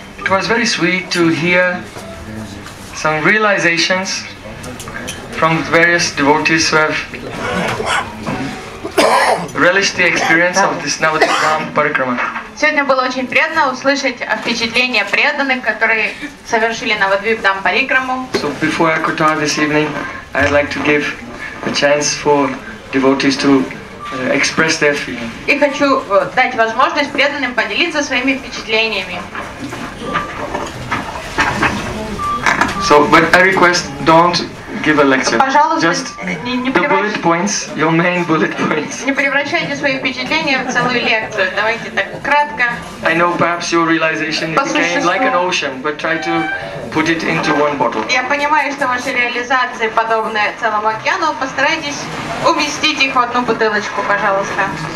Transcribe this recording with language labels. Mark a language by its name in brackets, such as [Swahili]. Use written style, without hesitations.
[English] was very sweet to hear some realizations from various devotees who have relished the experience of this Navadvipam Parikrama. [Russian] Сегодня было очень приятно услышать впечатления преданных, которые совершили Навадвипам Парикраму. [English] So before I kutar this evening, I'd like to give a chance for devotees to express their feelings. [Russian] И хочу дать возможность преданным поделиться своими впечатлениями. [English] So, but I request don't give a lecture. [Russian] Пожалуйста, [English] just the bullet points, your main bullet points. [Russian] Не превращайте свои впечатления в целую лекцию. Давайте так кратко. [English] I know perhaps your realization became like an ocean, but try to put it into one bottle. [Russian] Я понимаю, что ваши реализации подобны целому океану. Постарайтесь уместить их в одну бутылочку, пожалуйста.